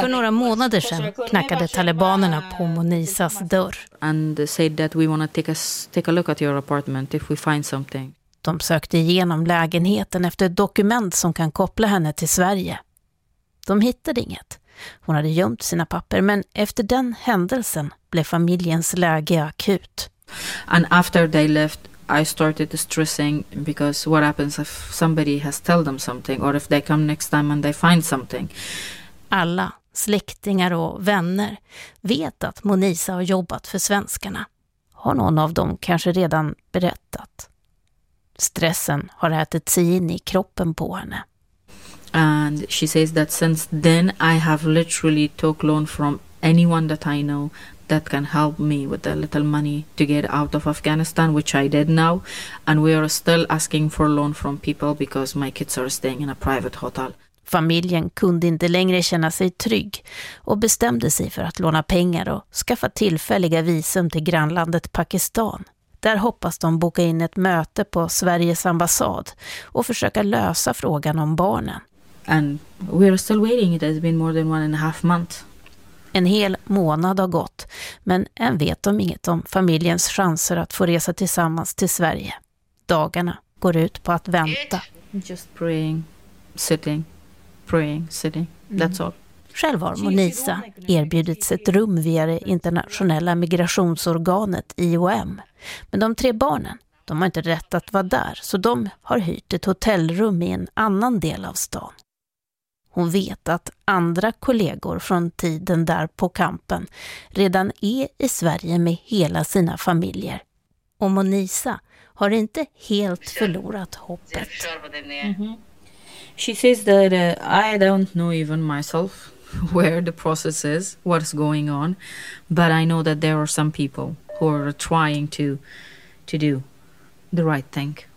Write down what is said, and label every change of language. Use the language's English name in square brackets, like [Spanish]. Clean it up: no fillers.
[Swedish] För några månader sedan knackade talibanerna på Monisas dörr. [English] And said that we want to take a look at your apartment if we find something. [Swedish] De sökte igenom lägenheten efter ett dokument som kan koppla henne till Sverige. De hittade inget. Hon hade gömt sina papper, men efter den händelsen blev familjens läge akut. [English] And after they left, I started stressing because what happens if somebody has told them something or if they come next time and they find something. [Swedish] Alla släktingar och vänner vet att Monisa har jobbat för svenskarna. Har någon av dem kanske redan berättat? Stressen har ätit sig in i kroppen på henne. [English] And she says that since then I have literally took loan from anyone that I know that can help me with a little money to get out of Afghanistan, which I did now. And we are still asking for loan from people because my kids are staying in a private hotel. [Swedish] Familjen kunde inte längre känna sig trygg och bestämde sig för att låna pengar och skaffa tillfälliga visum till grannlandet Pakistan. Där hoppas de boka in ett möte på Sveriges ambassad och försöka lösa frågan om barnen. [English] And we are still waiting. It has been more than 1.5 months. [Swedish] En hel månad har gått, men än vet de inget om familjens chanser att få resa tillsammans till Sverige. Dagarna går ut på att vänta. [English] Just praying, sitting, that's all. [Swedish] Själv har Monisa erbjudits ett rum via det internationella migrationsorganet IOM. Men de tre barnen, de har inte rätt att vara där, så de har hyrt ett hotellrum i en annan del av stan. Hon vet att andra kollegor från tiden där på kampen redan är i Sverige med hela sina familjer. Och Monisa har inte helt förlorat hoppet. [English] She says that I don't know even myself where the process is, what's going on, but I know that there are some people who are trying to do the right thing.